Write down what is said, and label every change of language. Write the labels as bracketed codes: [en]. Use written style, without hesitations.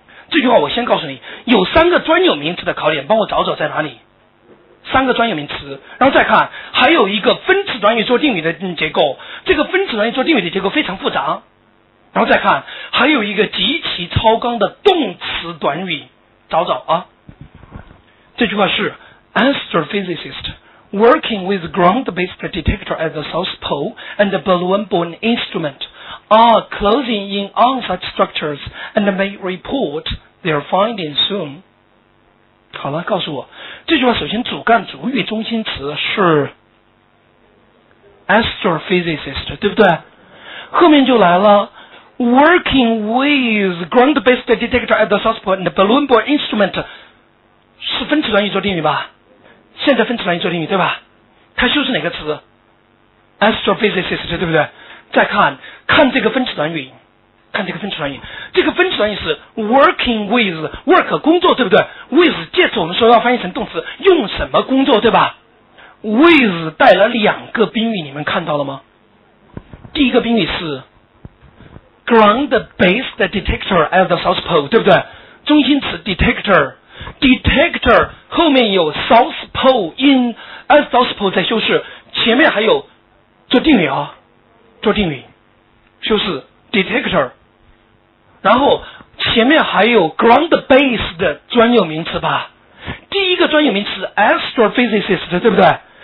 [zh] 这句话我先告诉你，有三个专有名词的考点，帮我找找在哪里。三个专有名词，然后再看，还有一个分词短语做定语的结构，这个分词短语做定语的结构非常复杂。然后再看，还有一个极其超纲的动词短语，找找啊。这句话是 [en] Astrophysicist working with ground-based detector at the South Pole and the balloon-borne instrument are closing in on such structures and may report their findings soon。 [zh] 好了，告诉我，这句话首先主干主语中心词是 astrophysicist， 对不对？后面就来了 [en] working with ground-based detector at the South Pole and the balloon-borne instrument， [zh] 是分词短语做定语吧？现在分词短语做定语，对吧？它修饰哪个词？ astrophysicist， 对不对？再看看这个分词短语，看这个分词短语，这个分词短语是 [en] working with， [zh] work 工作，对不对？ with 介词，我们说要翻译成动词，用什么工作，对吧？ with 带了两个宾语，你们看到了吗？第一个宾语是 [en] ground based detector at the South Pole， [zh] 对不对？中心词 detector， detector 后面有 [en] South Pole in at South Pole [zh] 在修饰，前面还有做定语啊，做定语修饰detector， 然后前面还有 [en] ground based [zh] 的专有名词吧，第一个专有名词 astrophysicist， 对不对？